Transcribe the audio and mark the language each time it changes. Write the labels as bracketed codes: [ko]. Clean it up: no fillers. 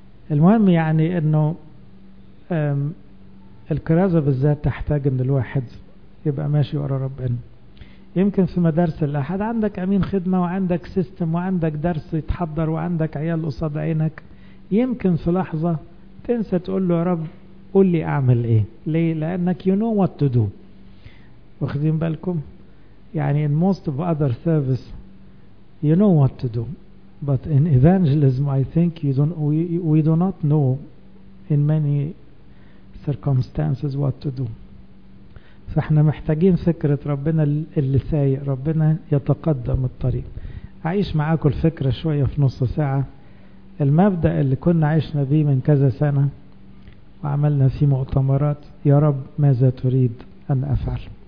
[ar] المهم يعني انه الكرازة بالذات تحتاج ان الواحد يبقى ماشي ورا ربنا. يمكن في مدارس الاحد عندك امين خدمة وعندك سيستم وعندك درس يتحضر وعندك عيال قصاد عينك، يمكن في لحظة تنسى تقول له يا رب قول لي اعمل ايه. ليه؟ لانك [en] you know what to do. [ar] واخدين بالكم؟ يعني [en] in most of other service you know what to do, but in evangelism I think you don't, we do not know in many circumstances what to do. [ar] فاحنا محتاجين فكرة ربنا اللي سايق، ربنا يتقدم الطريق. اعيش معاكم الفكرة شوية في نص ساعة. المبدأ اللي كنا عشنا به من كذا سنة وعملنا فيه مؤتمرات، يا رب ماذا تريد أن أفعل.